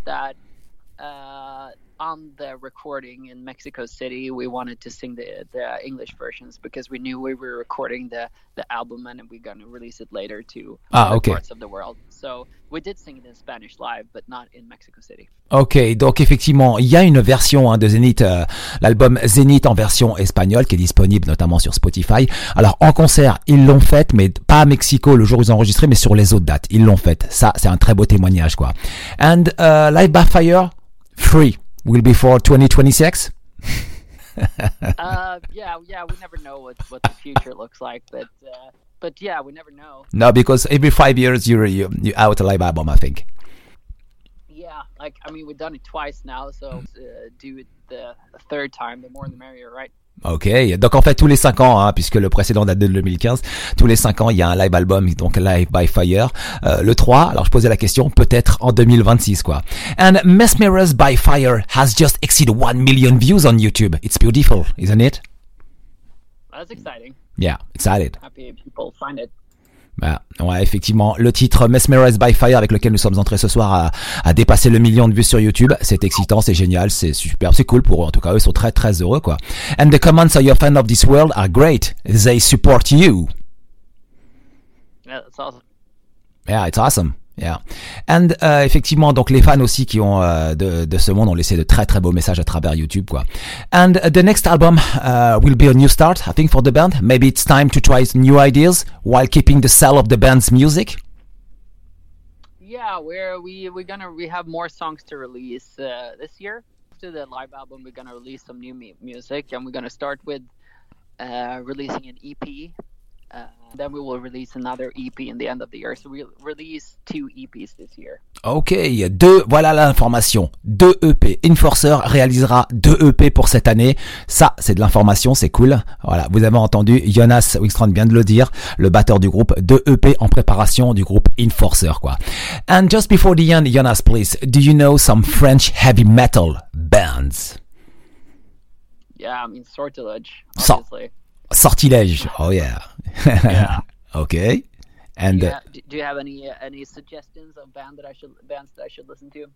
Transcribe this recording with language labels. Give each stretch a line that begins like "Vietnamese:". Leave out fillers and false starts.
English: That on the recording in Mexico City, we wanted to sing the English versions because we knew we were recording the album and we're going to release it later to parts of the world. So we did sing it in Spanish live, but not in Mexico City.
French: Ok, donc effectivement, il y a une version, hein, de Zenith, l'album Zenith en version espagnole qui est disponible notamment sur Spotify. Alors en concert, ils l'ont faite, mais pas à Mexico le jour où ils ont enregistré, mais sur les autres dates, ils l'ont faite. Ça, c'est un très beau témoignage, quoi.
English: And Live by Fire 3 will be for 2026. yeah, we never know what the future looks like, but yeah, we never know. No, because every 5 years you out a live album, I think. Yeah, like, I mean, we've done it twice now, so do it the third time, the more the merrier, right?
French: Ok, donc en fait tous les 5 ans, hein, puisque le précédent date de 2015, tous les 5 ans il y a un live album, donc Live by Fire, le 3, alors je posais la question, peut-être en 2026, quoi.
English: And Mesmerized by Fire has just exceeded 1 million views on YouTube, it's beautiful, isn't it? That's exciting. Yeah, excited. Happy people find it.
French: Bah, ouais, effectivement, le titre Mesmerized by Fire avec lequel nous sommes entrés ce soir a dépassé le million de vues sur YouTube. C'est excitant, c'est génial, c'est super, c'est cool pour eux. En tout cas, eux sont très très heureux, quoi.
English: And the comments of your fans of this world are great. They support you. Yeah, that's awesome. Yeah, it's awesome. Yeah. And
French: effectivement, donc les fans aussi qui ont de ce monde ont laissé de très très beaux messages à travers YouTube, quoi.
English: And the next album will be a new start, I think, for the band. Maybe it's time to try new ideas while keeping the sound of the band's music. Yeah, we have more songs to release this year. After the live album, we're gonna release some new music, and we're gonna start with releasing an EP Then we will release another EP in the end of the year. So we'll release two EPs this year.
French: Ok, deux, voilà l'information. Deux EP. Enforcer réalisera deux EP pour cette année. Ça, c'est de l'information, c'est cool. Voilà, vous avez entendu, Jonas Wikstrand vient de le dire, le batteur du groupe, deux EP en préparation du groupe Enforcer, quoi.
English: And just before the end, Jonas, please, do you know some French heavy metal bands? Yeah, I mean, Sortilège, obviously. Sortilège, oh yeah. Yeah. Ok. And do you have any suggestions of bands that I should listen to?